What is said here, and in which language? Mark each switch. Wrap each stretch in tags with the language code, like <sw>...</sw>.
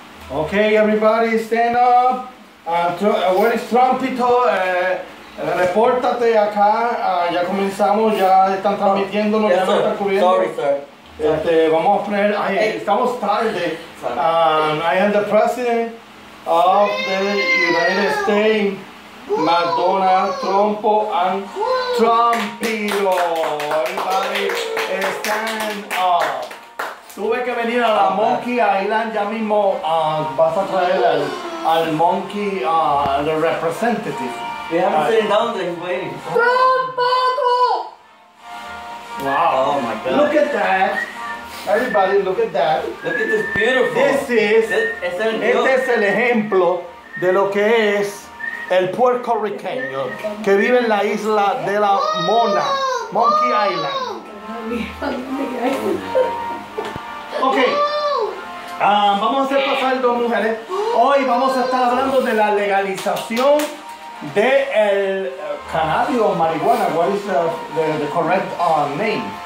<en>Okay, everybody, stand up. Where is Trumpito?</en> <es>Repórtate acá. Ya comenzamos, ya están transmitiendo, nos están cubriendo.</es> <en>Sorry, sir.</en> <es>Vamos a poner. Estamos tarde.</es> <en>I am the president of the United States. McDonald Trumpo and Trumpito. Everybody, stand up.</en> <es>Tuve que venir a la Monkey Island, ya mismo vas a traer al Monkey, al representative.</es> <en>They haven't sitting down, they're waiting.</en> <es>¡Trumpito!</es> <en>Wow. Oh my God. Look at that. Everybody, look at that. Look at this beautiful.</en> <es>Este es el ejemplo de lo que es el puertorriqueño que vive en la isla de la Mona, Monkey Island. Okay. Vamos a hacer pasar dos mujeres. Hoy vamos a estar hablando de la legalización de el cannabis o marihuana.</es> <en>What is the correct name?</en>